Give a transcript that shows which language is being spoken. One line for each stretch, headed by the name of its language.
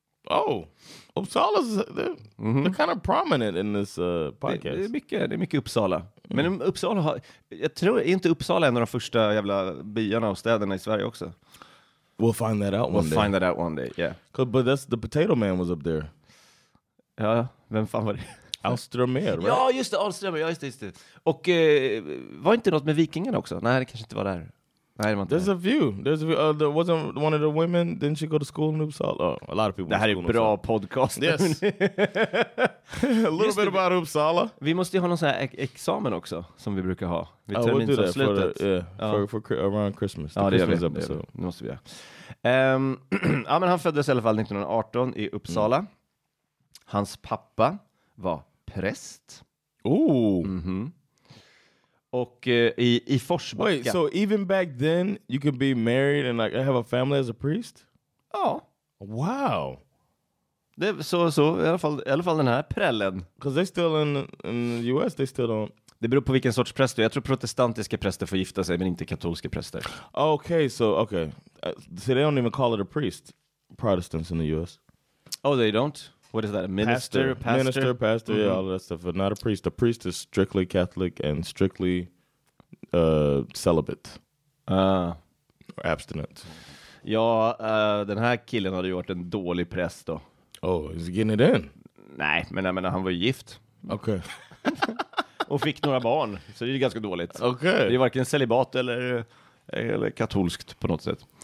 English: Oh, Uppsala's they're kind of prominent in this podcast.
Swedish: Det är mycket Uppsala. Mm. Men Uppsala har, jag tror inte Uppsala är en av de första jävla byarna och städerna i Sverige också.
English: We'll find that out one day. We'll find that out one day, yeah. But that's the potato man was up there.
Swedish: Ja, vem fan var det?
English: Alströmer, right?
Swedish: Ja, just det, Alströmer, just det. Och var inte något med vikingarna också? Nej, det kanske inte var där. Nej, det var inte
English: där. There's a few. There wasn't one of the women, didn't she go to school in Uppsala? Oh, a lot of people.
Swedish: Det här är bra podcast.
English: Yes. a little bit about Uppsala.
Swedish: Vi måste ju ha någon sån här examen också, som vi brukar ha.
English: We'll do that for around Christmas.
Swedish: Ja, det gör vi. Det måste vi göra. ja, men han föddes i alla fall 1918 i Uppsala. Mm. Hans pappa var präst. Ooh. Mm-hmm. Och i Forsbacka.
English: Wait, so even back then you could be married and like have a family as a priest?
Swedish: Ja.
English: Wow.
Swedish: Det så i alla fall den här prällen.
English: Because they still in the US, they still don't.
Swedish: Det beror på vilken sorts präst du är. Jag tror protestantiska präster får gifta sig, men inte katolska präster.
English: Okay. So they don't even call it a priest, Protestants in the US. Oh, they don't? What is that? A minister? Pastor? Minister, pastor, mm-hmm. Yeah, all that stuff. But not a priest. The priest is strictly Catholic and strictly celibate. Or abstinent.
Swedish: Ja, den här killen hade ju varit en dålig präst då.
English: Oh, is he getting it in?
Swedish: Nej, men jag menar, han var ju gift. Okej. Okay. Och fick några barn, så det är ju ganska dåligt. Okej. Okay. Det är varken celibat eller katolskt på något sätt.